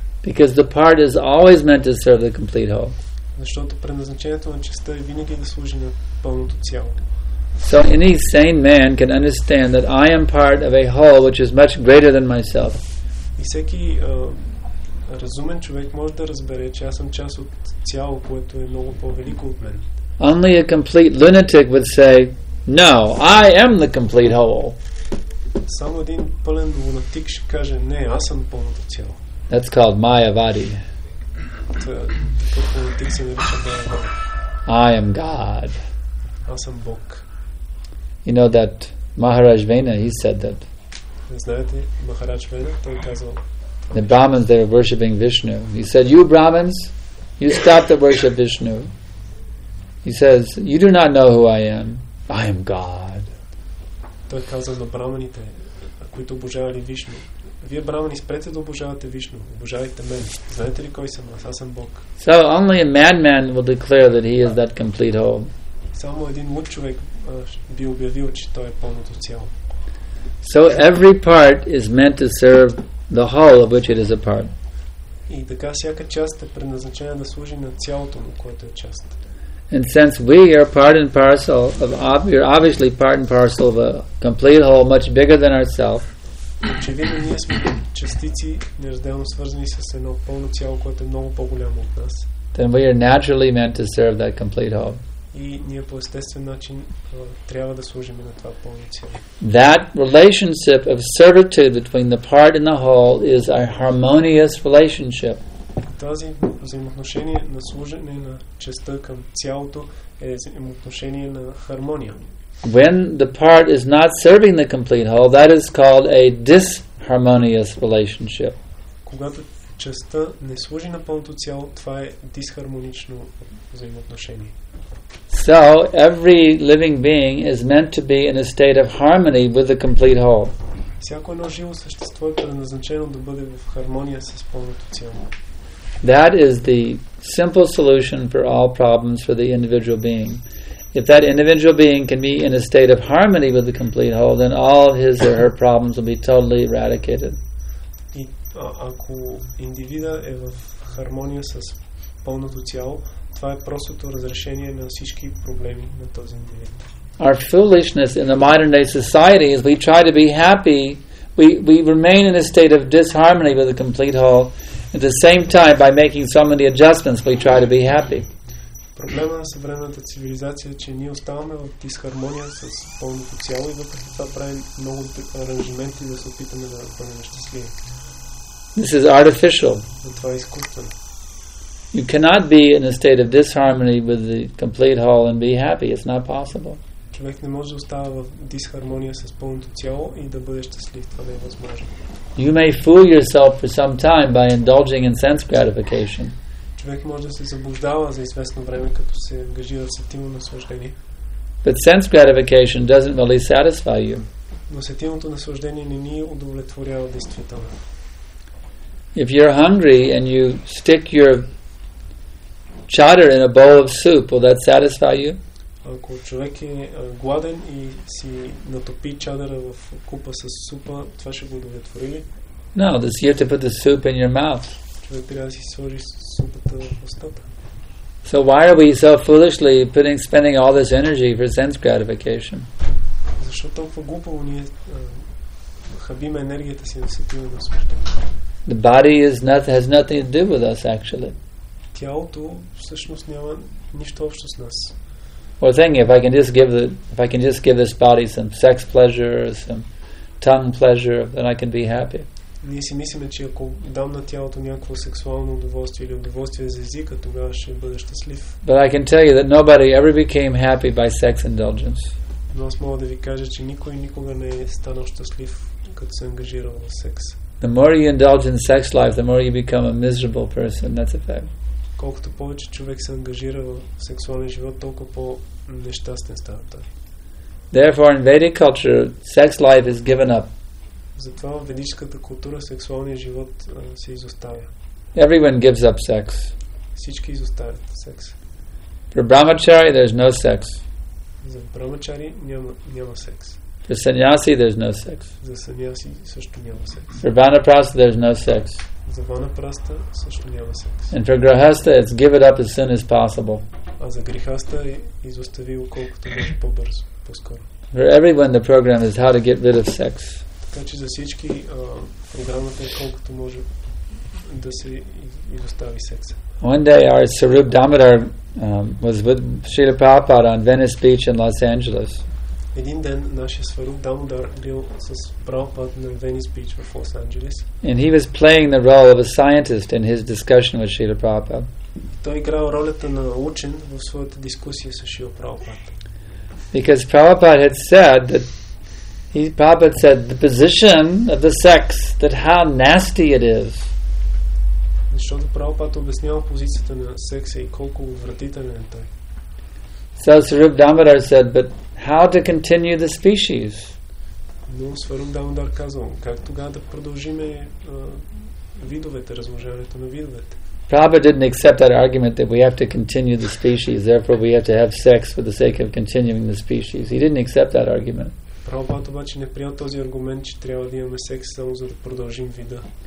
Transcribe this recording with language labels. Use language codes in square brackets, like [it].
[en] Because the part is always meant to serve the complete whole. [bg] Защото предназначението на частта е винаги да служи на пълното цяло. [en] So, any sane man can understand that I am part of a whole which is much greater than myself. [bg] И всеки разумен човек може да разбере, че аз съм част от цяло, което е много по-велико от мен. [en] Only a complete lunatic would say, no, I am the complete whole. [bg] Само един пълен лунатик ще каже, не, аз съм пълното цяло. [en] That's called Mayavadi. [bg] Такъв лунатик се нарича Mayavadi. [en] I am God. [bg] Аз съм Бог. [en] You know that Maharaj Vena, he said that. [bg] Знаете, Maharaj Vena, той казал, [en] the Brahmins, they were worshipping Vishnu. He said, you Brahmins, you stop to worship Vishnu. He says, you do not know who I am. I am God. [bg] Той каза на браманите, които обожавали Вишну. Вие, брамани, спрете да обожавате Вишну. Обожавайте мен. Знаете ли кой съм? Аз съм Бог. [en] So only a madman will declare that he is that complete whole. [bg] Само един луд човек би обявил, че той е пълното цяло. [en] So every part is meant to serve the whole of which it is a part. [bg] И така всяка част е предназначена да служи на цялото му, което е част. [en] And since we are part and parcel of, we're obviously part and parcel of a complete whole much bigger than ourselves. [bg] Очевидно ние сме частици, неразделно свързани с едно пълно цяло, което е много по-голямо от нас. [en] Then we are naturally meant to serve that complete whole. [bg] и ние по естествен начин трябва да служим на това позиция. [en] That relationship of servitude between the part and the whole is a harmonious relationship. [bg] Тази взаимоотношение на служене на частта към цялото е взаимоотношение на хармония. [en] When the part is not serving the complete whole, that is called a disharmonious relationship. [bg] Когато частта не служи на пълното цяло, това е дисхармонично взаимоотношение. [en] So, every living being is meant to be in a state of harmony with the complete whole. [bg] Всяко едно живо същество е предназначено да бъде в хармония с пълното цяло. [en] That is the simple solution for all problems for the individual being. If that individual being can be in a state of harmony with the complete whole, then all of his or her problems will be totally eradicated. [bg] И ако индивида е в хармония с пълното цяло, това е простото разрешение на всички проблеми на този индивид. [en] Our foolishness in the modern day society is we try to be happy, we remain in a state of disharmony with the complete whole. At the same time, by making so many adjustments, we try to be happy. [bg] Проблема на съвременната цивилизация е, че ние оставаме в дисхармония с пълното цяло и въпреки това правим много аранжименти да се опитаме да бъдем щастливи. [en] This is artificial. [bg] Това е изкуствено. [en] You cannot be in a state of disharmony with the complete whole and be happy. It's not possible. [bg] Човек не може да остава в дисхармония с пълното цяло и да бъде щастлив. Това не е възможно. [en] You may fool yourself for some time by indulging in sense gratification. [bg] Човек може да се заблуждава за известно време, като се ангажира с сетивно наслаждение. [en] But sense gratification doesn't really satisfy you. [bg] Но сетивното наслаждение не ни удовлетворява действително. [en] If you're hungry and you stick your chowder in a bowl of soup, will that satisfy you? [bg] Ако човек е гладен и си натопи чадъра в купа с супа, това ще го удовлетвори ли? [en] No, this, you have to put the soup in your mouth. [bg] Човек трябва да си сложи супата в устата. [en] So why are we so foolishly spending all this energy for sense gratification? [bg] Защо толкова глупаво ние хабим енергията си на сетивно наслаждение? [en] The body is has nothing to do with us, actually. [bg] Тялото всъщност няма нищо общо с нас. [en] Or thinking, if I can just give this body some sex pleasure or some tongue pleasure, then I can be happy. [bg] Ние си мислиме, че ако дам на тялото някакво сексуално удоволствие или удоволствие за езика, тогава ще бъда щастлив. [en] But I can tell you that nobody ever became happy by sex indulgence. [bg] Но аз мога да ви кажа, че никой никога не е станал щастлив, като се ангажирал в секс. [en] The more you indulge in sex life, the more you become a miserable person. That's a fact. [bg] Колкото повече човек се ангажира в сексуален живот, толкова по-нещастен става той. [en] Therefore, in Vedic culture, sex life is given up. [bg] Затова в ведическата култура сексуалният живот се изоставя. [en] Everyone gives up sex. [bg] Всички изоставят секс. [en] For brahmachari, there's no sex. [bg] За брамачари няма секс. [en] For sannyasi, there's no sex. [bg] За саньяси също няма секс. [en] For vanaprastha, there's no sex. [bg] За ванапраста също няма секс. [en] And for grahastha, it's give it up as soon as possible. [bg] А за грихаста е изостави колкото може по-бързо, по-скоро. [en] For everyone, the program is how to get rid of sex. [bg] Така че за всички програмата е колкото може да се изостави секса. [en] One day our Sarup Damodar was with Srila Prabhupada on Venice Beach in Los Angeles. [bg] Един ден нашия Сварук Дамодар бил с Прабхупад на Venice Beach в Лос Анджелес. [en] And he was playing the role of a scientist in his discussion with Srila Prabhupada. [bg] Той играл ролята на учен в своята дискусия с Шрила Прабхупад. [en] Because Prabhupada had said that Prabhupada said the position of the sex, that how nasty it is. [bg] Защото Прабхупад обяснява позицията на секса и колко отвратителен е той. [en] So Sarup Damodar said, but how to continue the species? [bg] Но Сварум Дамодар казал, как тогава да продължиме видовете, размножаването на видовете? [en] Prabhupada didn't accept that argument that we have to continue the species, therefore we have to have sex for the sake of continuing the species. He didn't accept that argument. [bg] Prabhupada обаче не приел този аргумент, че трябва да имаме секс само за да продължим вида.